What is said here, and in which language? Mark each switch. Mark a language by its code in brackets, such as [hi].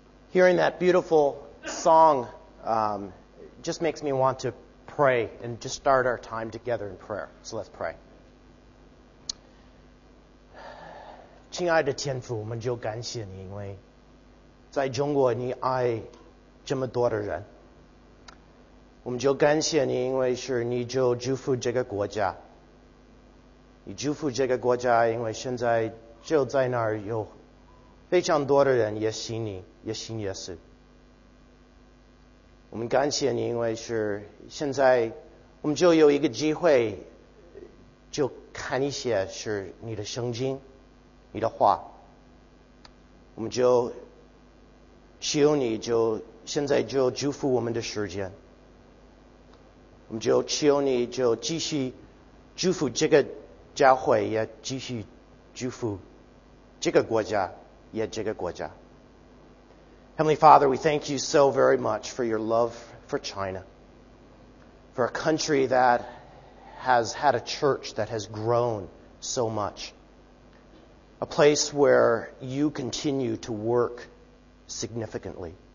[en] Hearing that beautiful song just makes me want to pray and just start our time together in prayer. So let's pray. [zh] 亲爱的天父，我们就感谢你，因为在中国你爱这么多的人。我们就感谢你，因为是你就祝福这个国家。你祝福这个国家，因为现在就在那儿有非常多的人也信你，也信耶稣。我们感谢你，因为是现在我们就有一个机会，就看一些是你的圣经，你的话。我们就求你就现在就祝福我们的时间，我们就求你就继续祝福这个教会，也继续祝福这个国家，也这个国家。 [en] Heavenly Father, we thank you so very much for your love for China, for a country that has had a church that has grown so much, a place where you continue to work significantly.